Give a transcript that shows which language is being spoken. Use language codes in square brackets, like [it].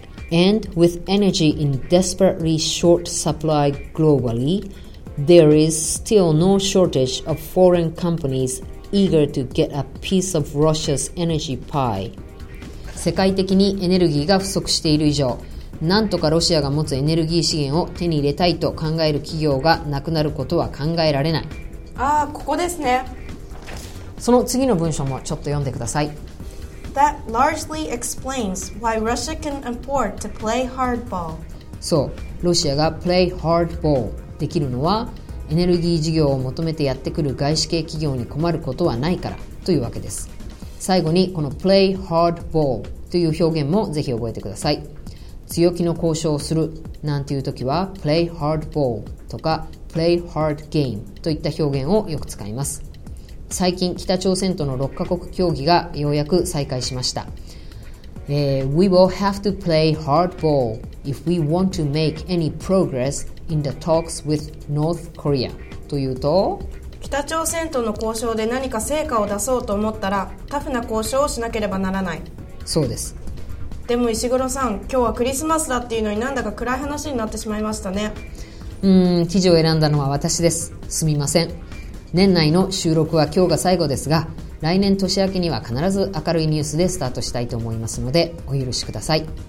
[en] And with energy in desperately short supply globally, there is still no shortage of foreign companies eager to get a piece of Russia's energy pie。 [ja] 世界的にエネルギーが不足している以上、なんとかロシアが持つエネルギー資源を手に入れたいと考える企業がなくなることは考えられない。ああ、ここですね。その次の文章もちょっと読んでください。 [en] That largely explains why Russia can afford to play hardball。 [ja] そう、ロシアが [en] play hardball [ja] できるのは、エネルギー事業を求めてやってくる外資系企業に困ることはないからというわけです。最後にこの [en] play hardball [ja] という表現もぜひ覚えてください。強気の交渉をするなんていう時は [en] play hardball [ja] とか [en] play hard game [ja] といった表現をよく使います。最近北朝鮮との6カ国協議がようやく再開しました。 [en] We will have to play hardball if we want to make any progress in the talks with North Korea. [ja] というと、北朝鮮との交渉で何か成果を出そうと思ったら、タフな交渉をしなければならない。そうです。でも石黒さん、今日はクリスマスだっていうのになんだか暗い話になってしまいましたね。記事を選んだのは私です。すみません。年内の収録は今日が最後ですが、来年年明けには必ず明るいニュースでスタートしたいと思いますので、お許しください。